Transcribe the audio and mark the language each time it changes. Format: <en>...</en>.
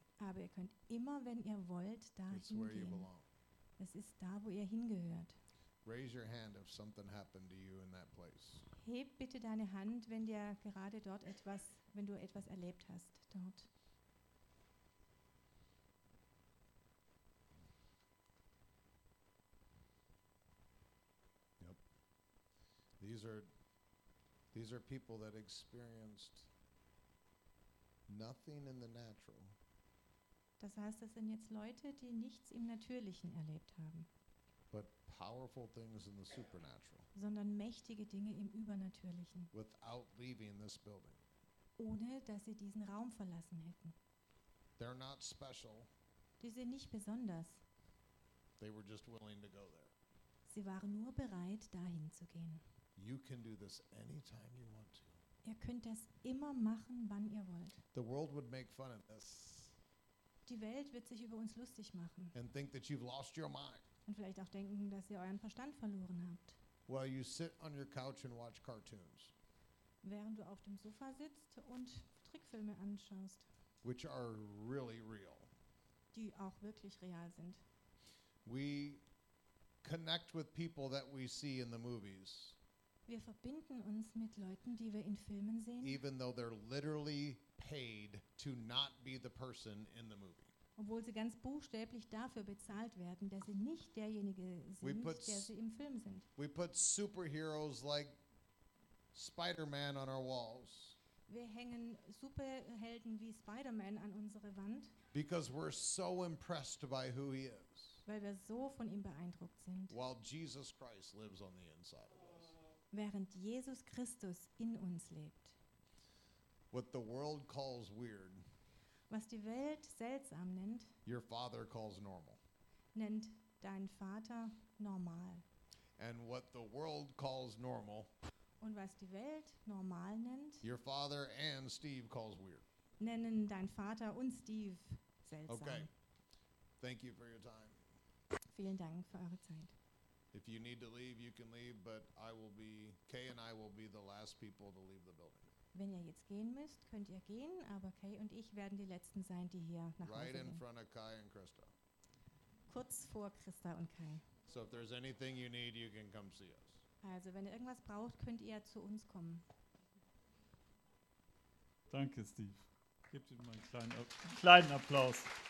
<de>Aber ihr könnt immer, wenn ihr wollt, da</de> <en>It's</en> <de>hingehen.</de> <en>Where you belong.</en> <de>Es ist da, wo ihr hingehört.</de> <en>Raise your hand if something happened to you in that place.</en> <de>Heb bitte deine Hand, wenn dir gerade dort etwas, wenn du etwas erlebt hast dort.</de> <en>Yep. These are people that experienced nothing in the natural.</en> <de>Das heißt, das sind jetzt Leute, die nichts im Natürlichen erlebt haben.</de> <en>But powerful things in the supernatural.</en> <de>Sondern mächtige Dinge im Übernatürlichen.</de> <en>Without leaving this building.</en> <de>Ohne dass sie diesen Raum verlassen hätten.</de> <en>They're not special.</en> <de>Die sind nicht besonders.</de> <en>They were just willing to go there.</en> <de>Sie waren nur bereit, dahin zu gehen.</de> <en>You can do this anytime you want to.</en> <de>Ihr könnt das immer machen, wann ihr wollt.</de> <en>The world would make fun of this.</en> <de>Die Welt wird sich über uns lustig machen.</de> <en>And think that you've lost your mind.</en> <de>Und vielleicht auch denken, dass ihr euren Verstand verloren habt.</de> <en>While you sit on your couch and watch cartoons.</en> <de>Während du auf dem Sofa sitzt und Trickfilme anschaust.</de> <en>Which are really real.</en> <de>Die auch wirklich real sind.</de> <en>We connect with people that we see in the movies.</en> <de>Wir verbinden uns mit Leuten, die wir in Filmen sehen.</de> <en>Even though they're literally paid to not be the person in the movie.</en> <de>Obwohl sie ganz buchstäblich dafür bezahlt werden, dass sie nicht derjenige sind, der sie im Film sind.</de> <en>We put superheroes like Spider-Man on our walls.</en> <de>Wir hängen Superhelden wie Spider-Man an unsere Wand.</de> <en>Because we're so impressed by who he is.</en> <de>Weil wir so von ihm beeindruckt sind.</de> <en>While Jesus Christ lives on the inside of us.</en> <de>Während Jesus Christus in uns lebt.</de> <en>What the world calls weird.</en> <de>Was die Welt seltsam nennt,</de> <en>your father calls normal.</en> <de>Nennt dein Vater normal.</de> <en>And what the world calls normal,</en> <de>und was die Welt normal nennt,</de> <en>your father and Steve calls weird.</en> <de>Nennen dein Vater und Steve seltsam.</de> <en>Okay. Thank you for your time.</en> <de>Vielen Dank für eure Zeit.</de> <en>If you need to leave, you can leave, but I will be, Kay and I will be the last people to leave the building.</en> <de>Wenn ihr jetzt gehen müsst, könnt ihr gehen, aber Kay und ich werden die Letzten sein, die hier nach</de> <en>right</en> <de>Hause gehen.</de> <en>In front of Kai and Krista.</en> <de>Kurz vor Krista und Kai.</de> <en>So if there's anything you need, you can come see us.</en> <de>Also, wenn ihr irgendwas braucht, könnt ihr zu uns kommen. Danke, Steve. Gebt ihm mal einen kleinen Applaus.</de>